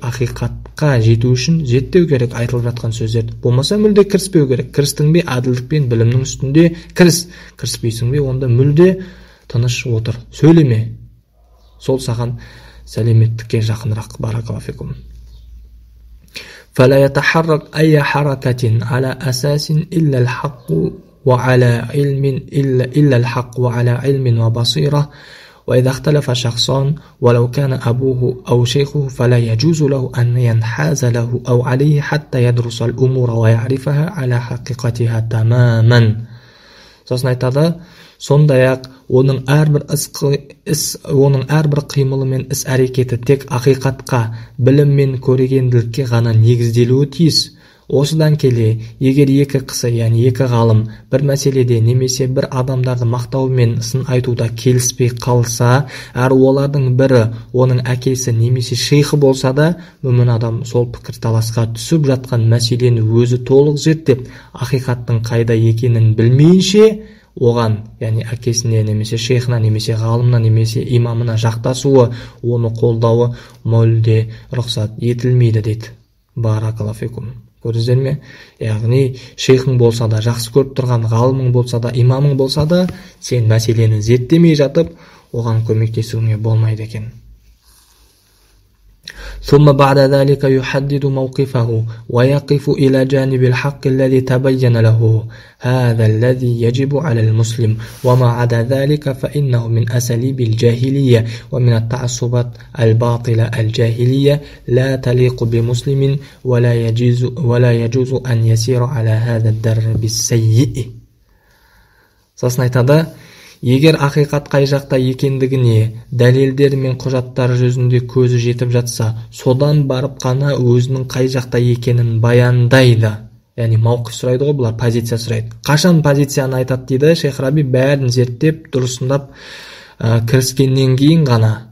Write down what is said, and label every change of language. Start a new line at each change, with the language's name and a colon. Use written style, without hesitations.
Kazakh: Ақиқатқа жету үшін зерттеу керек айтылып жатқан сөздерді. Болмаса мүлде кіріспеу керек. Кірістің бе, әділдікпен білімнің үстінде кіріс. Кіріспейсің бе, онда мүлде тыныш отыр, сөйлеме. Сол саған сәлеметтікке жақынырақ.
Arabic: Баракаллаху фикум. فلا يتحرك أي حركة على أساس إلا الحق وعلى علم إلا الحق وعلى علم وبصيرة. وإذا اختلف شخصان ولو كان أبوه أو شيخه فلا يجوز له أن ينحاز له أو عليه حتى يدرس الأمور ويعرفها على حقيقتها تماما.
Kazakh: Сосынайтады, сондай-ақ оның әрбір қимылы мен іс әрекеті тек ақиқатқа, білім мен көрегенділікке ғана негізделуі тиіс. Осыдан келе, егер екі кісі, яғни екі ғалым бір мәселеде немесе бір адамдарды мақтау мен сын айтуда келіспей қалса, әр олардың бірі оның әкесі немесе шейхі болса да, мүмін адам сол пікірталасқа түсіп жатқан мәселені өзі толық зерттеп, ақиқаттың қайда екенін білмейінше оған, яғни әкесіне немесе шейхына немесе ғалымына немесе имамына жақтасуы, оны қолдауы мүлде рұқсат етілмейді дейді. Баракаллаху фикум. Көрдіңіздер ме? Яғни шейхің болса да, жақсы көріп тұрған ғалымың болса да, имамың болса да, сен мәселені зерттемей жатып оған көмектесуіңе болмайды екен.
Arabic: ثم بعد ذلك يحدد موقفه ويقف إلى جانب الحق الذي تبين له، هذا الذي يجب على المسلم، وما عدا ذلك فإنه من أساليب الجاهلية ومن التعصبات الباطلة الجاهلية لا تليق بمسلم، ولا يجوز أن يسير على هذا الدرب السيء. سأصنع تدا
Kazakh: егер ақиқат қай жақта екендігіне дәлелдер мен құжаттар жүзінде көзі жетіп жатса, содан барып қана өзінің қай жақта екенін баяндайды. Яғни мауқы сұрайды ғой, бұлар позиция сұрайды. Қашан позицияны айтады дейді Шейх Раби, бәрін зерттеп дұрысындап кіріскеннен кейін ғана.